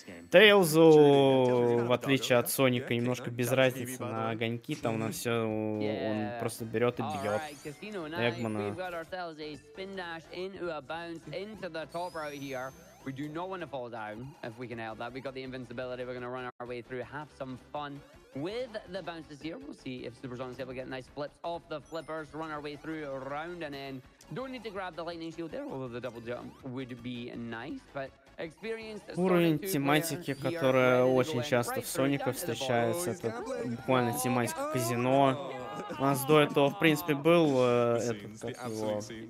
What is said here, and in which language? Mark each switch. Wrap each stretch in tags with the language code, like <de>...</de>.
<ru>Тейлзу, в отличие от Соника, немножко без разницы на огоньки, там на все он просто берет и бьет Эггмана.</ru> <en>We do not want to fall down if we can help that. We got the invincibility. We're going to run our way through, have some fun with the bounces here. We'll see if Supersonic is able to get nice flips off the flippers, run our way through, round and in. Don't need to grab the lightning shield there, although the double jump would be nice, but...</en> <ru>Уровень тематики, которая очень часто в Сонике встречается, это буквально тематика казино. У нас до этого, в принципе, был этот, как его...</ru>